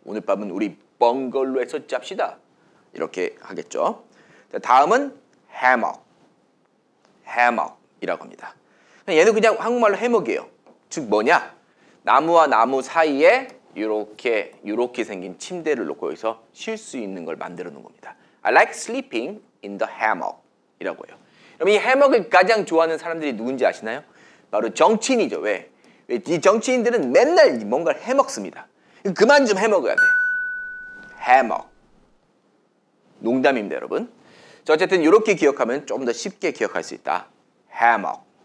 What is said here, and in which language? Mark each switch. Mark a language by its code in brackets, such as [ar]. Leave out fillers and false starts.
[ko] 오늘 밤은 우리 벙걸로에서 잡시다. 이렇게 하겠죠. 자, 다음은 해먹. 해먹이라고 합니다. 얘는 그냥 한국말로 해먹이에요. 즉 뭐냐? 나무와 나무 사이에 이렇게 생긴 침대를 놓고 여기서 쉴 수 있는 걸 만들어 놓은 겁니다. [en] I like sleeping in the hammock [ko] 이라고 해요. 그럼 이 해먹을 가장 좋아하는 사람들이 누군지 아시나요? 바로 정치인이죠. 왜? 이 정치인들은 맨날 뭔가를 해먹습니다. 그만 좀 해먹어야 돼. 해먹. 농담입니다, 여러분. 자, 어쨌든 이렇게 기억하면 좀 더 쉽게 기억할 수 있다. 해먹.